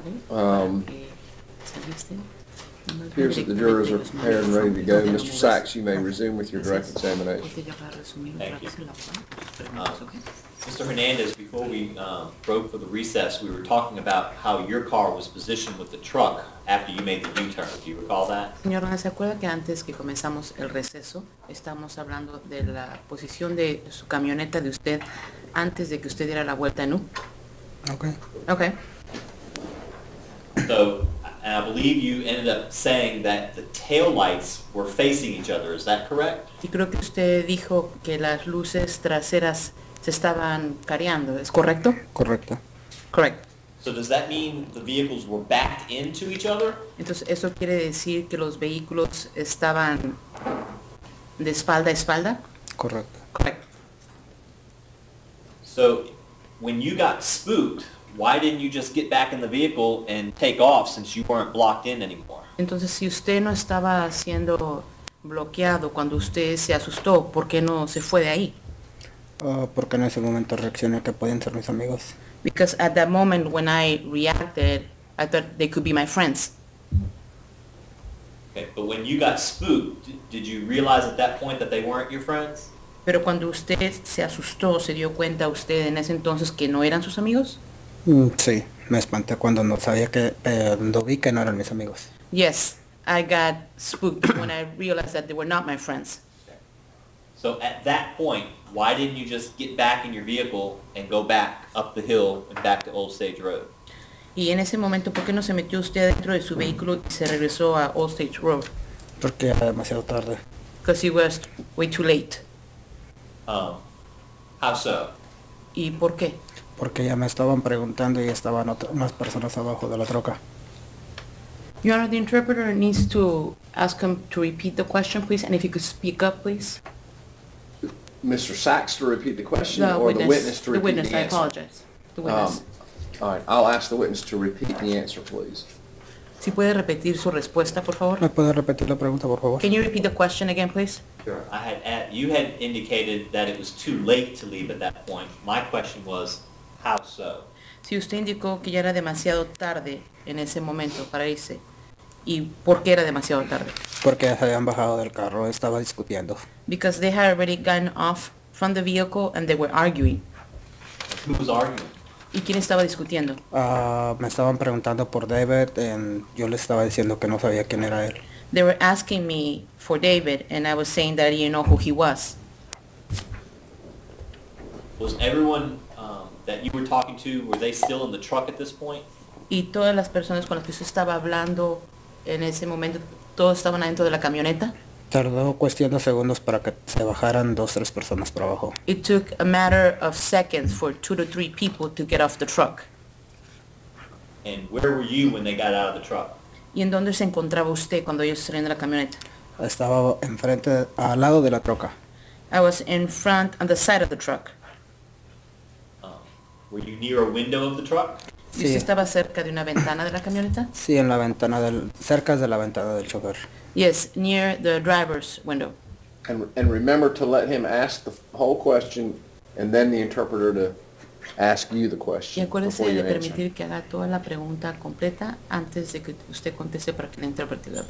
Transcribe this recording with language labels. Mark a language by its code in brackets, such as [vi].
[en] Appears that the jurors are prepared and ready to go. Mr. Sachs, you may resume with your direct examination. Thank you. Mr. Hernandez, before we broke for the recess, we were talking about how your car was positioned with the truck after you made the U-turn. Do you recall that? [es] Señor, ¿se acuerda que antes que comenzamos el receso, estamos hablando de la posición de su camioneta de usted antes de que usted diera la vuelta en U? [en] Okay. Okay. So, and I believe you ended up saying that the tail lights were facing each other. Is that correct? [es] Y creo que usted dijo que las luces traseras se estaban careando, ¿es correcto? Correcto. [en] Correct. So does that mean the vehicles were backed into each other? [es] Entonces, ¿eso quiere decir que los vehículos estaban de espalda a espalda? Correcto. [en] Correct. So, when you got spooked, why didn't you just get back in the vehicle and take off since you weren't blocked in anymore? [es] Entonces, si usted no estaba siendo bloqueado cuando usted se asustó, ¿por qué no se fue de ahí? Porque en ese momento reaccioné que podían ser mis amigos. [en] Because at that moment when I reacted, I thought they could be my friends. Okay, but when you got spooked, did you realize at that point that they weren't your friends? [es] Pero cuando usted se asustó, ¿se dio cuenta usted en ese entonces que no eran sus amigos? Sí, me espanté cuando no sabía que, cuando vi que no eran mis amigos. [en] Yes, I got spooked when I realized that they were not my friends. So at that point, why didn't you just get back in your vehicle and go back up the hill and back to Old Stage Road? [es] Y en ese momento, ¿por qué no se metió usted dentro de su vehículo y se regresó a Old Stage Road? Porque era demasiado tarde. [en] Because it was way too late. How so? [es] ¿Y por qué? Porque ya me estaban preguntando y estaban unas personas abajo de la troca. [en] Your Honor, the interpreter needs to ask him to repeat the question, please, and if you could speak up, please. Mr. Sachs to repeat the question the witness to repeat the answer? The witness, I apologize. The witness. All right, I'll ask the witness to repeat the answer, please. [es] ¿Sí puede repetir su respuesta, por favor? ¿Me puede repetir la pregunta, por favor? [en] Can you repeat the question again, please? Sure. You had indicated that it was too late to leave at that point. My question was, how so? [es] Si usted indicó que ya era demasiado tarde en ese momento para irse, ¿y por qué era demasiado tarde? Porque ya se habían bajado del carro, estaba discutiendo. [en] Because they had already gotten off from the vehicle and they were arguing. Who was arguing? [es] ¿Y quién estaba discutiendo? Me estaban preguntando por David and yo les estaba diciendo que no sabía quién era él. [en] They were asking me for David and I was saying that I didn't know who he was. Was everyone that you were talking to, were they still in the truck at this point? [es] Y todas las personas con las que usted estaba hablando en ese momento, ¿todos estaban adentro de la camioneta? Tardó cuestión de segundos para que se bajaran dos o tres personas para abajo. [en] It took a matter of seconds for two to three people to get off the truck. And where were you when they got out of the truck? [es] ¿Y en dónde se encontraba usted cuando ellos salieron de la camioneta? Estaba enfrente, al lado de la troca. [en] I was in front, on the side of the truck. Were you near a window of the truck? [es] Sí. ¿Y usted estaba cerca de una ventana de la camioneta? Sí, en la ventana del, cerca de la ventana del chofer. [en] Yes, near the driver's window. And remember to let him ask the whole question and then the interpreter to ask you the question. [es] Y acuérdese de permitir que haga toda la pregunta completa antes de que usted conteste para que el intérprete lo haga,